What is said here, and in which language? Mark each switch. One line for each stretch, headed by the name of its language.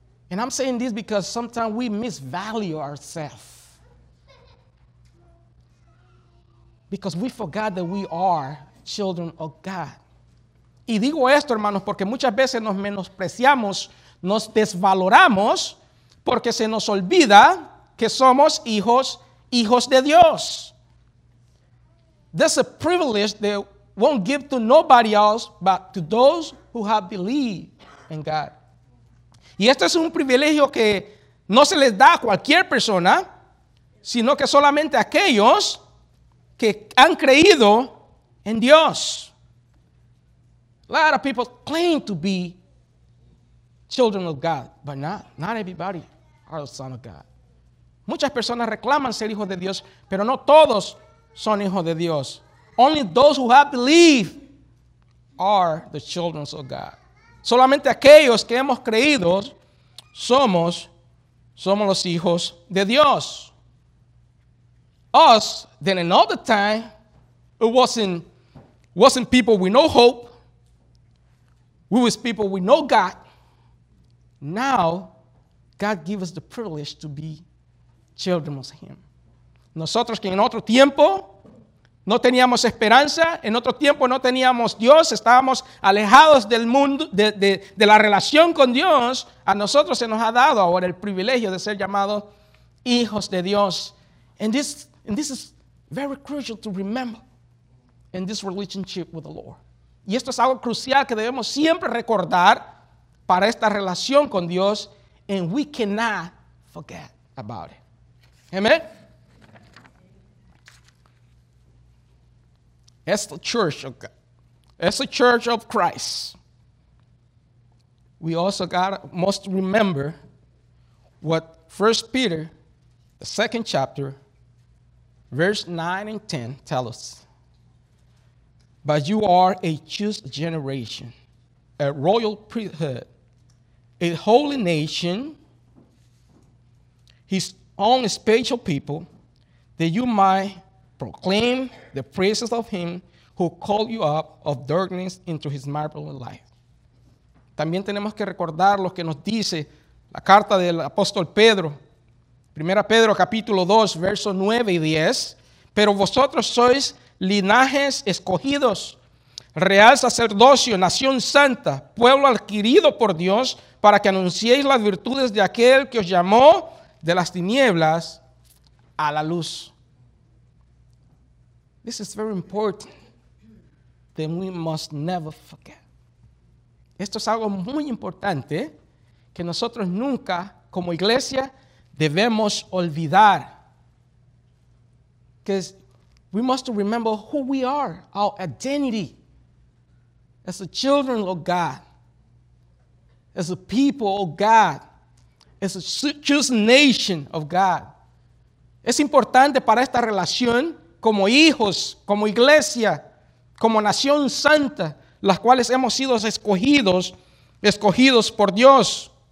English: And I'm saying this because sometimes we misvalue ourselves. Because we forgot that we are children of God.
Spanish: Y digo esto, hermanos, porque muchas veces nos menospreciamos, nos desvaloramos, porque se nos olvida que somos hijos de Dios.
English: That's a privilege that won't give to nobody else but to those who have believed in God.
Spanish: Y esto es un privilegio que no se les da a cualquier persona, sino que solamente a aquellos que han creído en Dios.
English: A lot of people claim to be children of God, but not everybody are the son of God.
Spanish: Muchas personas reclaman ser hijos de Dios, pero no todos son hijos de Dios.
English: Only those who have believed are the children of God.
Spanish: Solamente aquellos que hemos creído somos los hijos de Dios.
English: Us, then another time, it wasn't people with no hope. We was people with no God. Now, God gives us the privilege to be children of him.
Spanish: Nosotros que en otro tiempo no teníamos esperanza, en otro tiempo no teníamos Dios, estábamos alejados del mundo, de la relación con Dios, a nosotros se nos ha dado ahora el privilegio de ser llamados hijos de Dios.
English: And this is very crucial to remember in this relationship with the Lord.
Spanish: Y esto es algo crucial que debemos siempre recordar para esta relación con Dios,
English: and we cannot forget about it. Amen. As the church of God, as the church of Christ, we also must remember what 1 Peter, the second chapter, verse 9 and 10 tell us. But you are a chosen generation, a royal priesthood, a holy nation, his own special people, that you might proclaim the praises of him who called you up of darkness into his marvelous light.
Spanish: También tenemos que recordar lo que nos dice la carta del apóstol Pedro. Primera Pedro capítulo 2, versos 9 y 10. Pero vosotros sois linajes escogidos, real sacerdocio, nación santa, pueblo adquirido por Dios, para que anunciéis las virtudes de aquel que os llamó de las tinieblas a la luz.
English: This is very important that we must never forget.
Spanish: Esto es algo muy importante que nosotros nunca, como iglesia, debemos olvidar.
English: Because we must remember who we are, our identity, as the children of God, as the people of God, as a chosen nation of God.
Spanish: Es importante para esta relación como hijos, como iglesia, como nación santa, las cuales hemos sido escogidos por Dios.